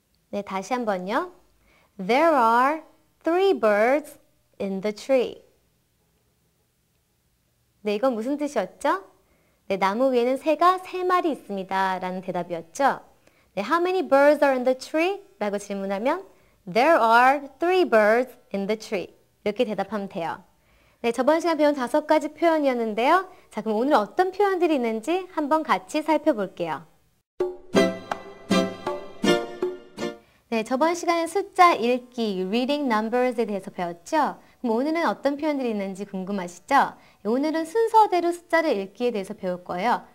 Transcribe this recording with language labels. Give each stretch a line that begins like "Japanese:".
Korean: 네, 다시 한번요.
English: There are three birds in the tree.
Korean: 네, 이건 무슨 뜻이었죠? 네, 나무 위에는 새가 세 마리 있습니다 라는 대답이었죠. 네,
English: How many birds are in the tree?
Korean: 라고 질문하면
English: There are three birds in the tree.
Korean: 이렇게 대답하면 돼요. 네, 저번 시간 배운 다섯 가지 표현이었는데요. 자, 그럼 오늘 어떤 표현들이 있는지 한번 같이 살펴볼게요. 네, 저번 시간에 숫자 읽기,
English: reading numbers
Korean: 에 대해서 배웠죠? 그럼 오늘은 어떤 표현들이 있는지 궁금하시죠? 오늘은 순서대로 숫자를 읽기에 대해서 배울 거예요.